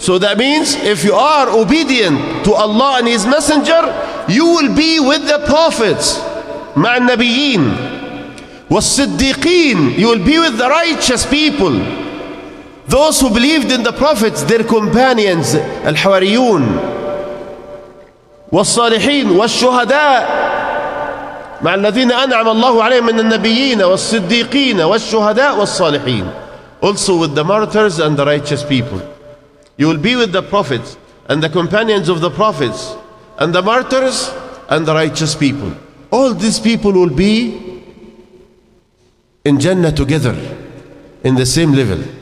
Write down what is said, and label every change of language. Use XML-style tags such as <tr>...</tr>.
<en>So that means if you are obedient to Allah and His Messenger, you will be with the prophets.</en> <ar>مَعَ النَّبِيِّينَ. وَالصِّدِّيقِينَ.</ar> <en>You will be with the righteous people. Those who believed in the prophets, their companions, الْحَوَارِيُّونَ.</en> <ar>وَالصَّالِحِينَ. وَالشُّهَدَاءِ. مع الذين أنعم الله عليهم من النبيين والصديقين والشهداء والصالحين.</ar> <en>Also with the martyrs and the righteous people. You will be with the prophets and the companions of the prophets and the martyrs and the righteous people. All these people will be in Jannah together in the same level.</en>